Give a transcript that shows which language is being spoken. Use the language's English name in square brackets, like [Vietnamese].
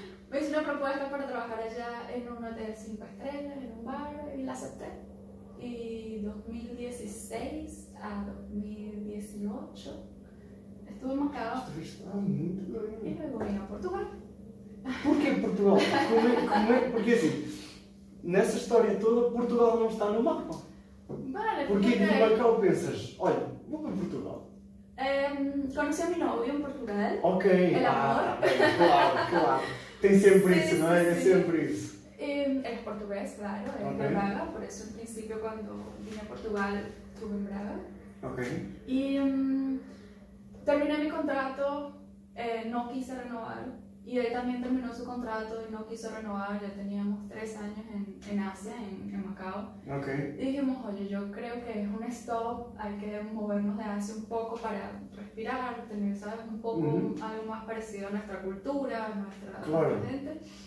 [Spanish] Me hice una propuesta para trabajar allá en un hotel 5 estrellas, en un bar, y la acepté. Y 2016 a 2018 estuve en Macao. Estuviste muy bien. Y luego vine a Portugal. [Portuguese] Por que Portugal? Como é? Porque assim, nessa história toda, Portugal não está no mapa. [Spanish] Vale, [Portuguese] porque no Macao pensas, olha, vou para Portugal. Conheci a meu novio em Portugal. Ok. [Spanish] El amor. Claro. [Portuguese] Tem sempre isso, não é? É sempre isso. É português, claro, é de Braga. Por isso, no princípio, quando vim a Portugal, estive em Braga. Ok. E terminei meu contrato, não quis renovar. [Spanish] Y él también terminó su contrato y no quiso renovar, ya teníamos 3 años en Asia, en Macao. Okay. Y dijimos, oye, yo creo que es un stop, hay que movernos de Asia un poco para respirar, tener, ¿sabes? Un poco algo más parecido a nuestra cultura, a nuestra gente.